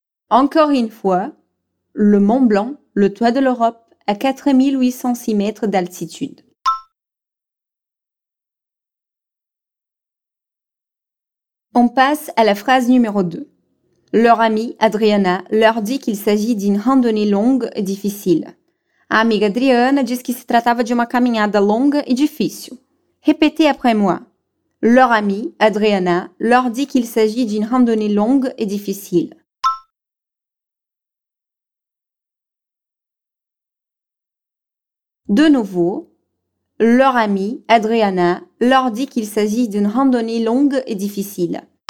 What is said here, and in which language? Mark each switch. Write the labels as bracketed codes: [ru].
[fr] Encore une fois, le Mont Blanc, le toit de l'Europe, à 4806 mètres d'altitude. On passe à la phrase numéro 2. Leur amie, Adriana, leur dit qu'il s'agit d'une randonnée longue et difficile. [pt] A amiga Adriana diz que se tratava de uma caminhada longa e difícil. [fr] Répétez après moi. Leur amie, Adriana, leur dit qu'il s'agit d'une randonnée longue et difficile. De nouveau, leur amie, Adriana, leur dit qu'il s'agit d'une randonnée longue et difficile.